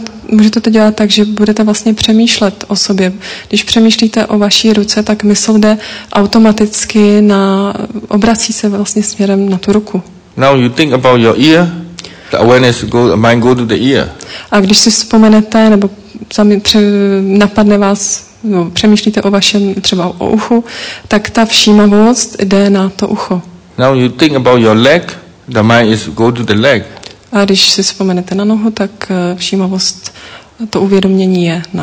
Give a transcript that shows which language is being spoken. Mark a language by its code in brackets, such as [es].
[cs] Můžete to dělat tak, že budete vlastně přemýšlet o sobě. Když přemýšlíte o vaší ruce, tak mysl jde automaticky na, obrací se vlastně směrem na tu ruku. [en] Now you think about your ear. The awareness go, mind go to the ear. [cs] A když si vzpomenete, nebo sami napadne vás, no, přemýšlíte o vašem, třeba o uchu, tak ta všímavost jde na to ucho. [en] Now you think about your leg, the mind is go to the leg. [cs] A když si vzpomenete na nohu, tak všímavost, to uvědomění je na